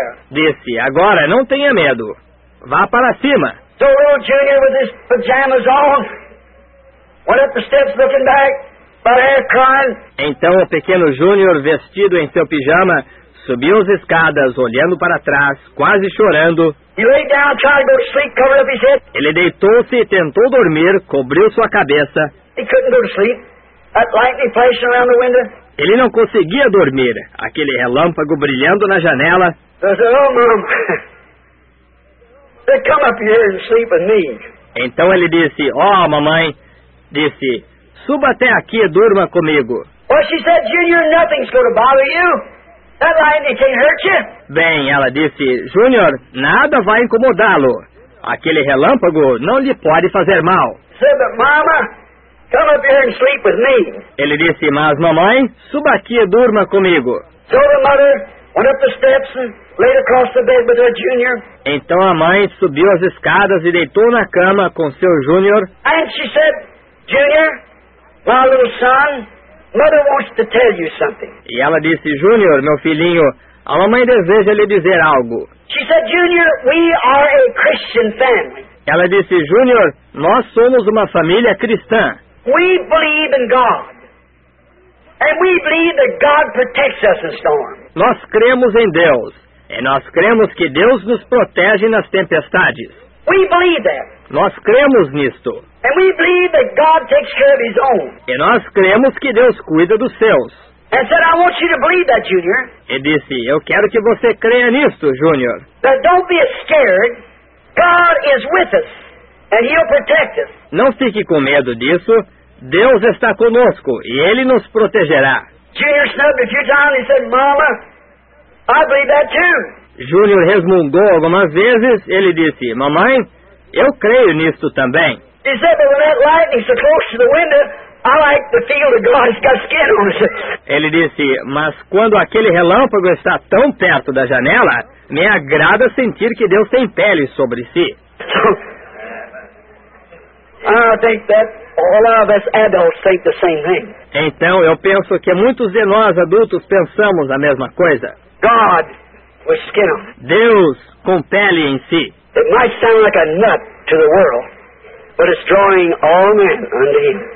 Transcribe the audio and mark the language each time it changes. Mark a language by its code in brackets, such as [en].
[pt] Disse, agora, não tenha medo, vá para cima. Então, o [en] little Junior, [pt] com [en] his pajamas on, went up the steps looking back, but air crying. [pt] Então o pequeno Júnior, vestido em seu pijama, subiu as escadas, olhando para trás, quase chorando. [en] He lay down, tried to go to sleep, covered up his head. [pt] Ele deitou-se e tentou dormir, cobriu sua cabeça. [en] He couldn't go to sleep. That lightning flashing around the window. [pt] Ele não conseguia dormir, aquele relâmpago brilhando na janela. [en] I said, oh, Mom, they come up here and sleep with me. [pt] Então ele disse, oh, mamãe. Disse, suba até aqui e durma comigo. [en] Well, she said, Junior, nothing's going to bother you. That lightning can't hurt you. [pt] Bem, ela disse, Junior, nada vai incomodá-lo. Aquele relâmpago não lhe pode fazer mal. [en] Said, but Mama, come up here and sleep with me. [pt] Ele disse, mas mamãe, suba aqui e durma comigo. [en] So the mother went up the steps and laid across the bed with her Junior. [pt] Então a mãe subiu as escadas e deitou na cama com seu Junior. [en] And she said, Junior, my little son, mother wants to tell you something. [pt] E ela disse, Junior, meu filhinho, a mamãe deseja lhe dizer algo. [en] She said, Junior, we are a Christian family. [pt] Ela disse, Junior, nós somos uma família cristã. [en] We believe in God. And we believe that God protects us in storms. [pt] Nós cremos em Deus. E nós cremos que Deus nos protege nas tempestades. [en] We believe that. [pt] Nós cremos nisto. [en] And we believe that God takes care of his own. [pt] E nós cremos que Deus cuida dos seus. [en] And said, I want you to believe that, Junior. [pt] E disse, eu quero que você creia nisto, Junior. [en] But don't be scared. God is with us. And he'll protect us. [pt] Não fique com medo disso. Deus está conosco e ele nos protegerá. [en] Junior snubbed a few times and said, Mama, I believe that too. [pt] Junior resmungou algumas vezes. Ele disse, mamãe, eu creio nisto também. [en] He said, but when that lightning's so close to the window, I like the feel that God's got skin on it. [pt] Ele disse, mas quando aquele relâmpago está tão perto da janela, me agrada sentir que Deus tem pele sobre si. [en] I think that all of us adults think the same thing. [pt] Então, eu penso que muitos de nós adultos pensamos a mesma coisa. [en] God with skin on. [pt] Deus com pele em si. [en] It might sound like a nut to the world. But it's drawing all men unto him.